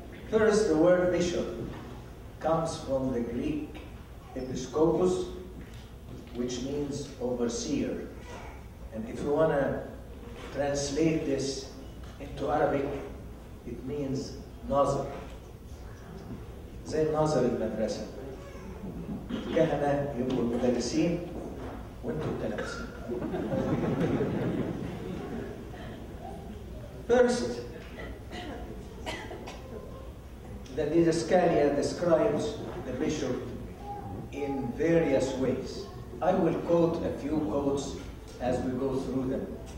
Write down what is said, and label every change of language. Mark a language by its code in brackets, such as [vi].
[en] First, the word bishop comes from the Greek episkopos, which means overseer. And if you want to translate this into Arabic, it means nazir. [ar] زي الناظر المدرسة، الكهنة يبقوا المدرسين وانتوا التلامذة. [en] First, the Didascalia describes the bishop in various ways. I will quote a few quotes as we go through them.